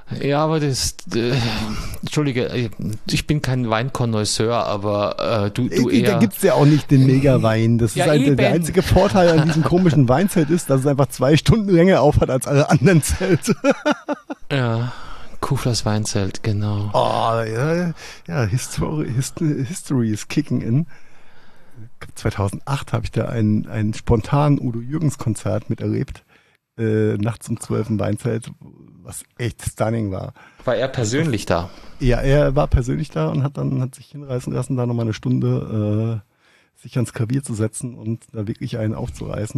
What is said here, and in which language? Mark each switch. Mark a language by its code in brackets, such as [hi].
[de] Ja, aber das, entschuldige, ich bin kein Weinkonnoisseur, aber du eher. Da gibt's ja auch nicht den Megawein. Das ist halt der einzige Vorteil an diesem komischen Weinzelt ist, dass es einfach 2 Stunden länger aufhat als alle anderen Zelte. Ja, Kuflers Weinzelt, genau. [en] Oh, [de] ja, [en] History is kicking in. [de] 2008 habe ich da ein spontanes Udo-Jürgens-Konzert miterlebt. Nachts um 12 im Weinzelt, was echt stunning war. War er persönlich da? Ja, er war persönlich da und hat sich hinreißen lassen, da nochmal eine Stunde sich ans Klavier zu setzen und da wirklich einen aufzureißen.